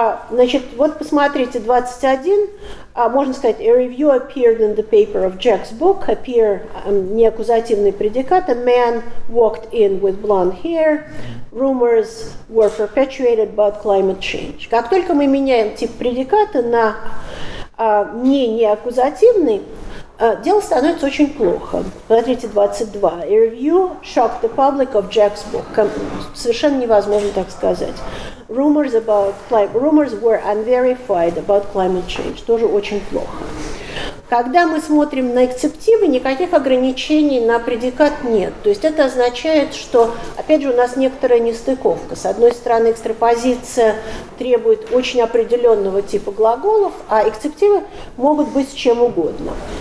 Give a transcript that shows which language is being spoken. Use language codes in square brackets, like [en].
[ru] Значит, вот посмотрите, 21, можно сказать, [en] a review appeared in the paper of Jack's book, appear, [ru] неаккузативный предикат, [en] a man walked in with blonde hair, rumors were perpetuated about climate change. [ru] Как только мы меняем тип предиката на неаккузативный, дело становится очень плохо. Смотрите, 22. [en] A review shocked the public of Jack's book. [ru] Совершенно невозможно так сказать. [en] Rumors were unverified about climate change. [ru] Тоже очень плохо. Когда мы смотрим на эксцептивы, никаких ограничений на предикат нет. То есть это означает, что, опять же, у нас некоторая нестыковка. С одной стороны, экстрапозиция требует очень определенного типа глаголов, а эксцептивы могут быть с чем угодно.